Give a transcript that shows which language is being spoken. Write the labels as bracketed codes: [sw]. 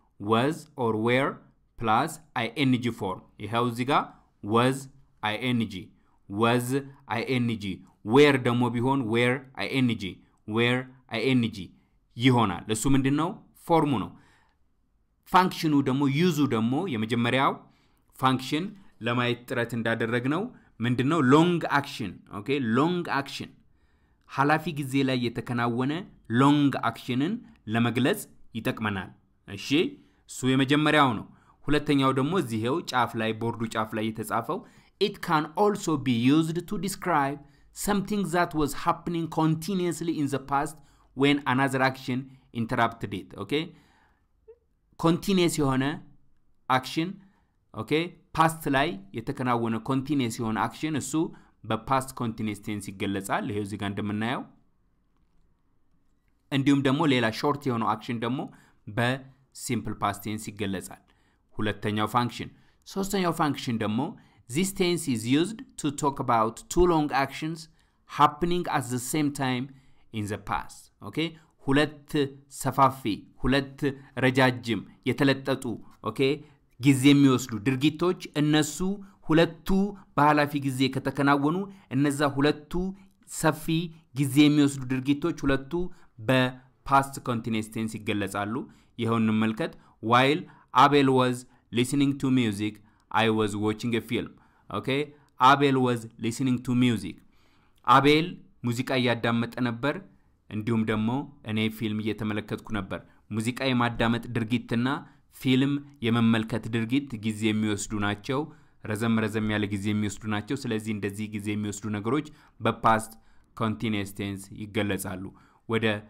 [en] was or were plus ing form. [am] ይሄው እዚህ ጋር [en] was ing, was ing, where ደግሞ ቢሆን where ing, where ing [am] ይሆናል። እሱ ምንድን ነው? ፎርሙ ነው። ፋንክሽኑ ደግሞ ዩዙ ደግሞ የመጀመሪያው ፋንክሽን ለማየት ጥረት እንዳደረግነው ምንድን ነው? ሎንግ አክሽን። ኦኬ ሎንግ አክሽን ሐላፊ ጊዜ ላይ የተከናወነ ሎንግ አክሽንን ለመግለጽ ይጠቅመናል። እሺ እሱ የመጀመሪያው ነው። ሁለተኛው ደግሞ እዚህው ጫፍ ላይ ቦርዱ ጫፍ ላይ የተጻፈው [en] it can also be used to describe something that was happening continuously in the past when another action interrupted it. [am] ኦኬ continuous የሆነ action. ኦኬ past ላይ የተከናወነ continuous የሆነ action እሱ በpast continuous tense ይገለጻል። ይሄው እዚህ ጋር እንደምናየው እንዲሁም ደግሞ ሌላ short የሆነ action ደግሞ በsimple past tense ይገለጻል። ሁለተኛው function። ሶስተኛው function ደግሞ [en] this tense is used to talk about two long actions happening at the same time in the past. [am] ኦኬ ሁለት ሰፋፊ ሁለት ረጃጅም የተለጠጡ ኦኬ ጊዜ የሚወስዱ ድርጊቶች እነሱ ሁለቱ በሐላፊ ጊዜ ከተከናወኑ እነዛ ሁለቱ ሰፊ ጊዜ የሚወስዱ ድርጊቶች ሁለቱ በpast continuous tense ይገለጻሉ። ይሁን እንመልከት። [en] while Abel was listening to music I was watching a film. ኦኬ Abel was listening to music. [am] Abel ሙዚቃ ያዳመጠ ነበር እንዲሁም ደግሞ እኔ ፊልም እየተመለከትኩ ነበር። ሙዚቃ የማዳመጥ ድርጊትና ፊልም የመመልከት ድርጊት ጊዜ የሚወስዱ ናቸው። ረዘም ረዘም ያለ ጊዜ የሚወስዱ ናቸው። ስለዚህ እንደዚህ ጊዜ የሚወስዱ ነገሮች በpast continuous tense ይገለጻሉ። ወደ